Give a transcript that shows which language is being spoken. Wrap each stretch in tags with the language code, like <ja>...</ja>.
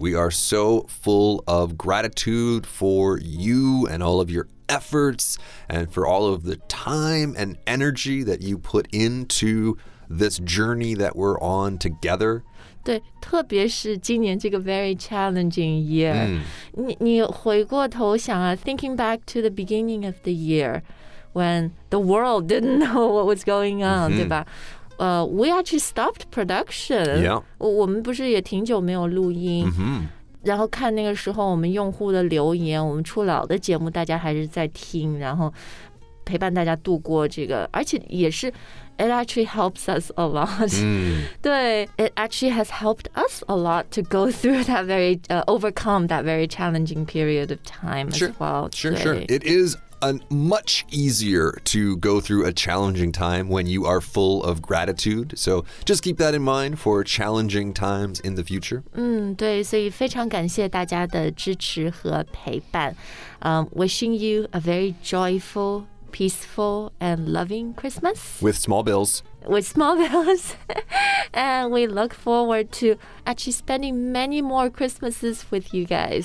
<en>We are so full of gratitude for you and all of your efforts and for all of the time and energy that you put into this journey that we're on together.</en> <zh>对，特别是今年这个 very challenging year.</zh> <en>你回过头想啊 thinking back to the beginning of the year when the world didn't know what was going on, mm-hmm. 对吧？ We actually stopped production. Yeah.</en> <zh>我们不是也挺久没有录音。 Mm-hmm. 然后看那个时候我们用户的留言我们出老的节目大家还是在听然后陪伴大家度过这个而且也是 It actually helps us a lot、 mm.</zh> <en>对 It actually has helped us a lot to go through that very、overcome that very challenging period of time sure, as well Sure, sure It is much easier to go through a challenging time when you are full of gratitude. So just keep that in mind for challenging times in the future.</en> <zh>对，所以非常感谢大家的支持和陪伴。</zh> <en>Wishing you a very joyful, peaceful, and loving Christmas. With small bills. With small bills. and we look forward to actually spending many more Christmases with you guys.</en>